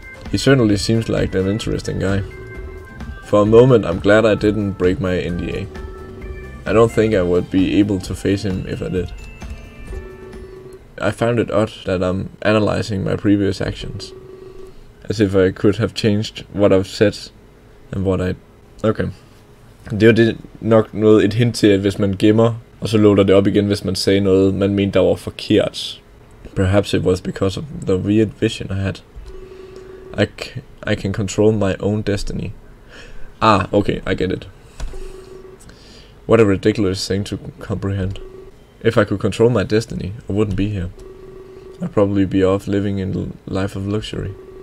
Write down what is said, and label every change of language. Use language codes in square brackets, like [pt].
[en] He certainly seems like an interesting guy. For a moment, I'm glad I didn't break my NDA. I don't think I would be able to face him if I did. I found it odd that I'm analyzing my previous actions. As if I could have changed what I've said and what I... Okay. [da] Det er nok noget et hint til, at hvis man gemmer, og så låter det op igen, hvis man sagde noget, man mente, der var forkert. [en] Perhaps it was because of the weird vision I had. I can control my own destiny. Ah, okay, I get it. What a ridiculous thing to comprehend. If I could control my destiny, I wouldn't be here. I'd probably be off living in a life of luxury.